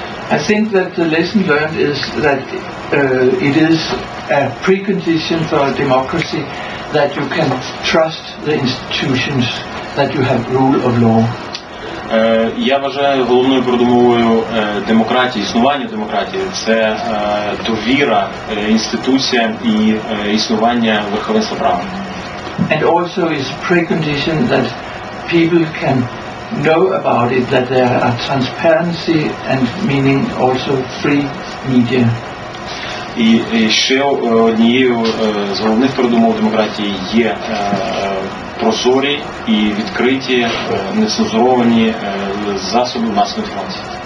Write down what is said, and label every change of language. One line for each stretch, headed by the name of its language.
English: I think that the lesson learned is that it is a precondition for a democracy that you can trust the institutions, that you have rule of law.
Ukrainian: Я вважаю головною передумовою демократії, існування демократії, це довіра інституціям і існування верховенства права.
English: And also is precondition that people can know about it, that there are transparency and meaning also free media.
Ukrainian: І ще однією з головних передумов демократії є прозорі і відкриті, нецензуровані засоби масової інформації.